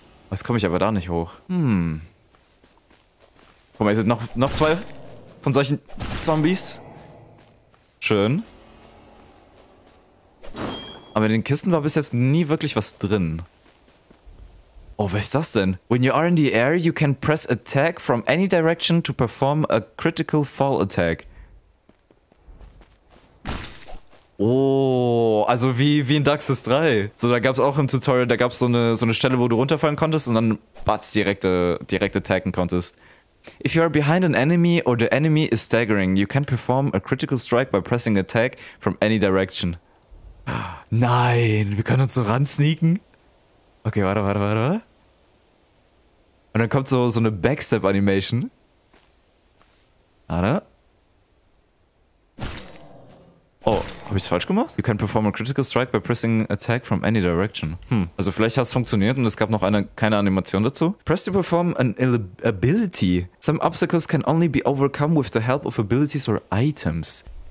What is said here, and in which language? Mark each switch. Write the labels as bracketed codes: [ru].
[de] Jetzt komme ich aber da nicht hoch. Hm. Guck mal, hier sind noch zwei von solchen Zombies. Schön. Aber in den Kisten war bis jetzt nie wirklich was drin. Oh, wer ist das denn? [en] When you are in the air, you can press attack from any direction to perform a critical fall attack. [de] Oh, also wie in Dark Souls 3. So, da gab es auch im Tutorial, da gab es so eine Stelle, wo du runterfallen konntest und dann batz, direkt attacken konntest. [en] If you are behind an enemy or the enemy is staggering, you can perform a critical strike by pressing attack from any direction. [de] Nein, wir können uns so ran sneaken. Okay, warte. Und dann kommt so eine Backstep-Animation. Warte. Oh, habe ich es falsch gemacht? [en] You can perform a critical strike by pressing attack from any direction. [de] Hm, also vielleicht hat es funktioniert und es gab noch keine Animation dazu. [en] Press to perform an ability. Some obstacles can only be overcome with the help of abilities or items.